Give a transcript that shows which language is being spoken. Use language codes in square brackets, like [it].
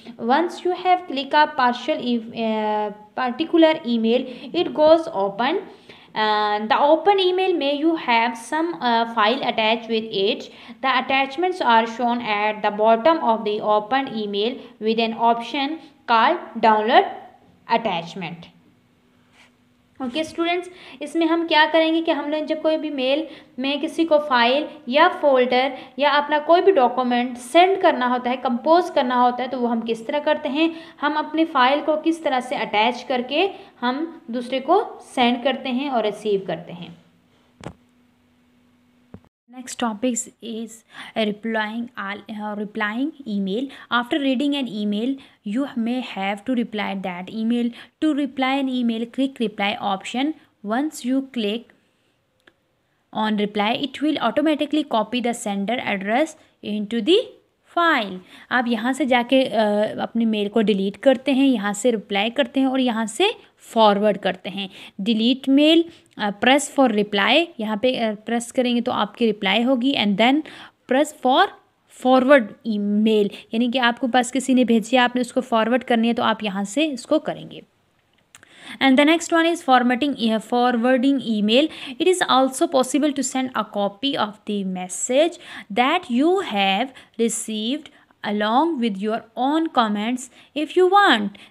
[en] Once you have click a partial particular email, it goes open. The open email may you have some file attached with it. The attachments are shown at the bottom of the open email with an option called download attachment. [ur] Okay students, اس میں ہم کیا کریں گے کہ ہم لوگ جب کوئی بھی میل میں کسی کو فائل یا فولڈر یا اپنا کوئی بھی ڈاکومنٹ سینڈ کرنا ہوتا ہے, کمپوز کرنا ہوتا ہے, تو وہ ہم کس طرح کرتے ہیں, ہم اپنے فائل کو کس طرح سے اٹیچ کر کے ہم دوسرے کو سینڈ کرتے ہیں اور ریسیو کرتے ہیں. [en] Next topics is replying email. After reading an email you may have to reply that email. To reply an email click reply option. Once you click on reply it will automatically copy the sender address into the file. [ur] آپ یہاں سے جا کے اپنی میل کو delete کرتے ہیں, یہاں سے ریپلائی کرتے ہیں اور یہاں سے فارورڈ کرتے ہیں. [en] delete mail, press for reply, [ur] یہاں پہ پریس کریں گے تو آپ کی ریپلائی ہوگی. [en] and then press for forward email, [ur] یعنی کہ آپ کو پاس کسی نے بھیجی ہے آپ نے اس کو فارورڈ کرنی ہے تو آپ یہاں سے اس کو کریں گے. [en] And the next one is formatting forwarding email. It is also possible to send a copy of the message that you have received along with your own comments if you want.